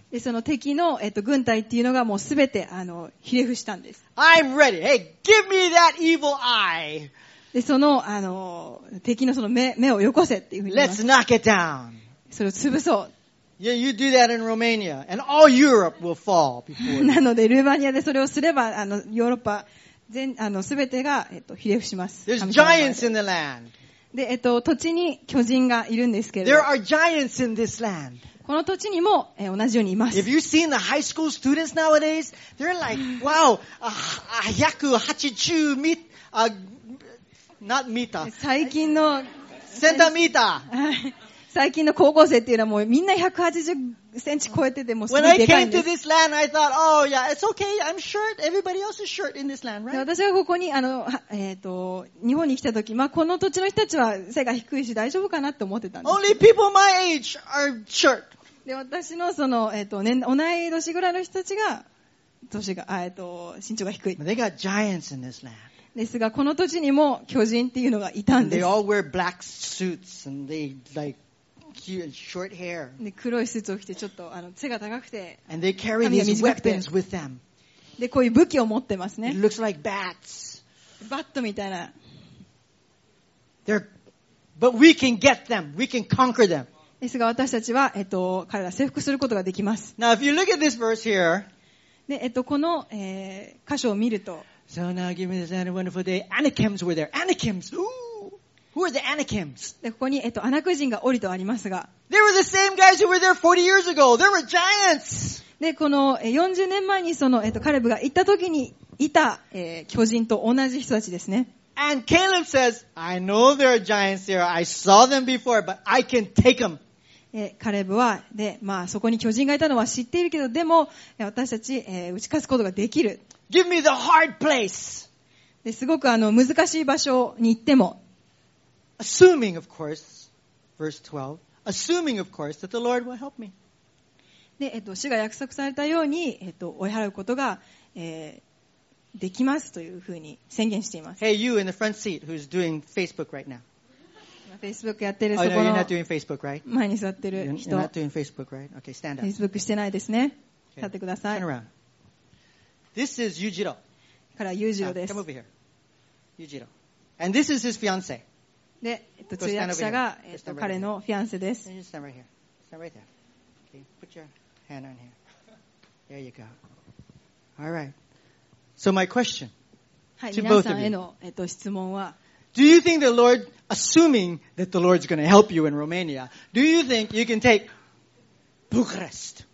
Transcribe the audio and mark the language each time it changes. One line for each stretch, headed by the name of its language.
Japanese: で、その敵の、軍隊っていうのがもうすべて、ひれ伏したんです。
English: I'm ready. Hey, give me that evil eye.
Japanese: で、その、敵のその目をよこせっていうふうに。
English: Let's knock it down.
Japanese: それを潰そう。
English: Yeah, you do that in Romania, and all Europe will fall before you.
Japanese: なので、ルーマニアでそれをすれば、ヨーロッパ全、すべてが、ひれ伏します。
English: There's giants in the land.
Japanese: で、土地に巨人がいるんですけど。
English: There are giants in this land.
Japanese: この土地にも同じようにいます。
English: If you've seen the high school students nowadays, they're like, wow, 180 meet, not meter.
Japanese: 最近の。センターメーター。最近の高校生っていうのはもうみんな180センチ超えててもうすごいでかいんです。
English: When I came to this land, I thought, oh yeah, it's okay, I'm short, everybody else is short in this land, right?
Japanese: 私がここに、日本に来た時、まあ、この土地の人たちは背が低いし大丈夫かなって思ってたんです。
English: Only people my age are short.
Japanese: で、私のその、同い年ぐらいの人たちが、身長が低い。
English: They got giants in this land.
Japanese: ですがこの土地にも巨人っていうのがいたんです。
English: They all wear black suits and they like short hair.
Japanese: で黒いスーツを着てちょっと背が高くて、
English: and they carry these weapons with them.
Japanese: でこういう武器を持ってますね。
English: It looks like bats.
Japanese: バットみたいな。
English: They're, but we can get them. We can conquer them.
Japanese: ですが私たちは彼ら征服することができます。
English: Now if you look at this verse here,
Japanese: でこの、箇所を見ると。
English: So now give me this wonderful day. Anakims were there. Anakims! Ooh! Who are the Anakims?
Japanese: で、ここに、アナク人が降りとありますが。
English: They were the same guys who were there 40 years ago. They were giants!
Japanese: で、この40年前にその、カレブが行った時にいた、巨人と同じ人たちですね。
English: And Caleb says, I know there are giants here. I saw them before, but I can take them.
Japanese: カレブは、で、まあ、そこに巨人がいたのは知っているけど、でも、私たち、打ち勝つことができる。
English: Give me the hard place.
Japanese: で、すごく難しい場所に行っても。
English: Assuming, of course, verse 12. Assuming, of course, that the Lord will help me.
Japanese: で、主が約束されたように、追い払うことが、できますというふうに宣言しています。
English: Hey, you in the front seat who's doing Facebook right now.
Japanese: Facebook やってる人。
English: Oh, no, you're not doing Facebook, right?
Japanese: 前に座ってる人。
English: You're not doing Facebook, right? Okay, stand up.
Japanese: Facebook してないですね。Okay. 立ってください。
English: Turn around. This is Yujiro.
Japanese: からYujiroです。
English: Come over here. Yujiro. And this is his fiancé.
Japanese: で、通訳者が、彼のフィアンセです。
English: Just stand right here. Stand right there. Okay, put your hand on here. There you go. All right. So my question to both of you.
Japanese: はい、皆さんへの、質問は、
English: Do you think the Lord, assuming that the Lord's going to help you in Romania, do you think you can take Bucharest?